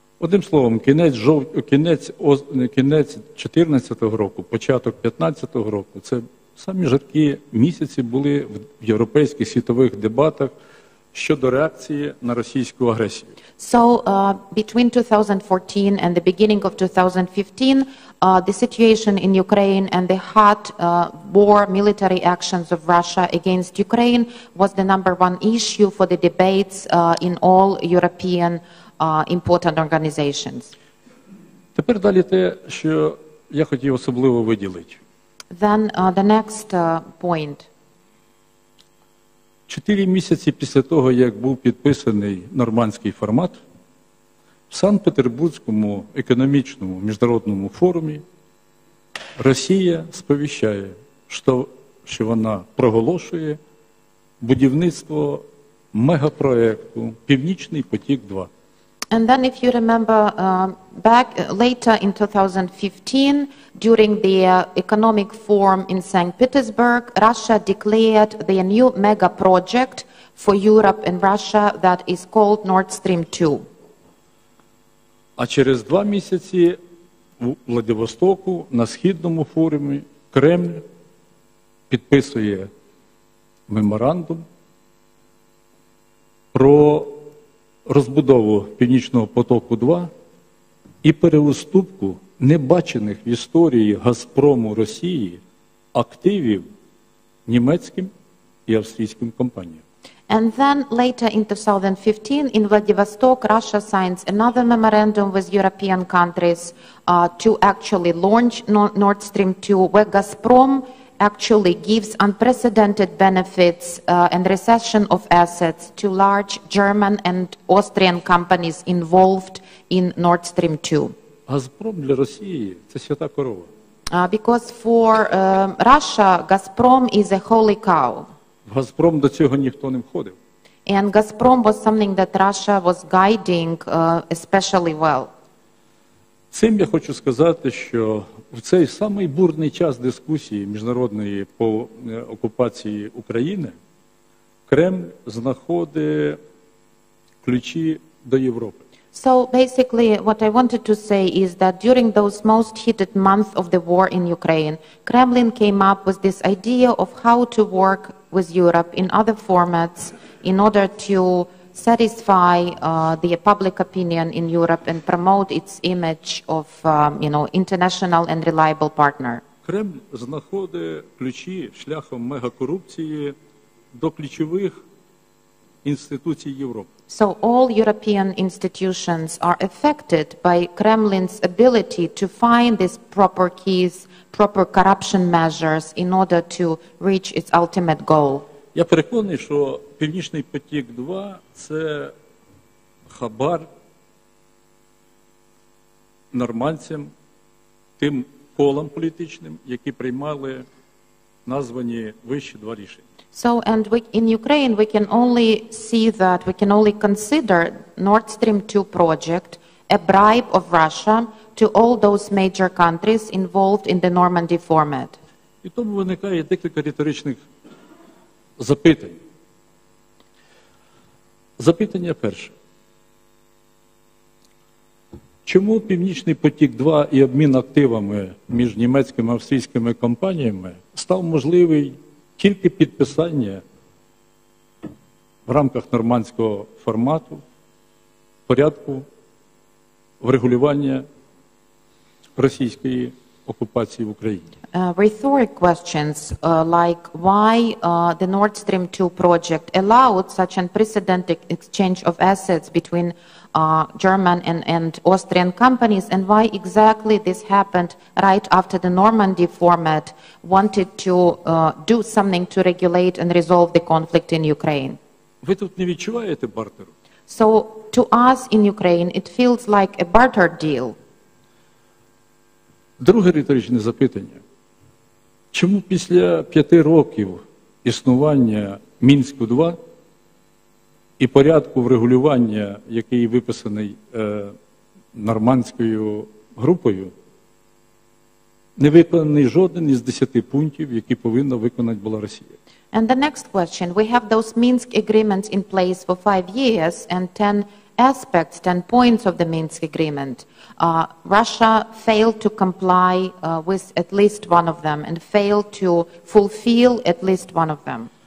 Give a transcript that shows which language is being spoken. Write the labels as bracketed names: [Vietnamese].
[Ukrainian] Одним словом, кінець 14-го року, початок 15-го року – це самі жаркі місяці були в європейських світових дебатах щодо реакції на російську агресію. [English] So, between 2014 and the beginning of 2015, the situation in Ukraine and the hot war military actions of Russia against Ukraine was the number one issue for the debates in all European important organizations. [Ukrainian] Тепер далі те, що я хотів особливо виділити. [English] Then the next point. [Ukrainian] 4 місяці після того, як був підписаний нормандський формат, в Санкт-Петербурзькому економічному міжнародному форумі Росія сповіщає, що вона проголошує будівництво мегапроекту «Північний потік-2». [English] And then if you remember back later in 2015, during the economic forum in St. Petersburg, Russia declared the new mega project for Europe and Russia that is called Nord Stream 2. [Ukrainian] А через 2 місяці у Владивостоку на східному форумі Кремль підписує меморандум про розбудову Північного потоку-2 і переуступку небачених в історії Газпрому Росії активів німецьким і австрійським компаніям. [English] And then later in 2015 in Vladivostok, Russia signs another memorandum with European countries to actually launch Nord Stream 2, where Gazprom actually gives unprecedented benefits and recession of assets to large German and Austrian companies involved in Nord Stream 2. [Ukrainian] Газпром для Росії – це свята корова. [English] Because for Russia, Gazprom is a holy cow. [Ukrainian] Газпром до цього ніхто не входив. [English] And Gazprom was something that Russia was guiding especially well. [Ukrainian] Цим я хочу сказати, що в цей самий бурний час дискусії міжнародної по окупації України Кремль знаходить ключі до Європи. [English] So basically what I wanted to say is that during those most heated months of the war in Ukraine, Kremlin came up with this idea of how to work with Europe in other formats in order to satisfy the public opinion in Europe and promote its image of international and reliable partner. [Ukrainian] Кремль знаходить ключі шляхом мегакорупції до ключових інституцій Європи. [English] So all European institutions are affected by Kremlin's ability to find these proper keys, proper corruption measures in order to reach its ultimate goal. [Ukrainian] Я переконаний, що Північний потік-2 – це хабар нормандцям, тим колам політичним, які приймали названі вищі два рішення. [English] So, and in Ukraine, we can only see that, we can only consider Nord Stream 2 project a bribe of Russia to all those major countries involved in the Normandy format. [Ukrainian] І тому виникає декілька риторичних запитань. Запитання перше. Чому Північний потік-2 і обмін активами між німецькими і австрійськими компаніями став можливий тільки підписання в рамках нормандського формату порядку врегулювання російської окупації в Україні? [English] Rhetoric questions like why the Nord Stream 2 project allowed such unprecedented exchange of assets between German and Austrian companies, and why exactly this happened right after the Normandy format wanted to do something to regulate and resolve the conflict in Ukraine. [Ukrainian] Ви тут не відчуваєте бартеру? [English] So to us in Ukraine it feels like a barter deal. [Ukrainian] Друге риторичне запитання. Чому після 5 років існування Мінську-2 і порядку врегулювання, який виписаний нормандською групою, не виконаний жоден із 10 пунктів, які повинна виконати була Росія? [English] And the next question, we have those Minsk agreements in place for 5 years and 10 aspects, 10 points of the Minsk agreement. Russia failed to comply with at least one of them and failed to fulfill at least one of them.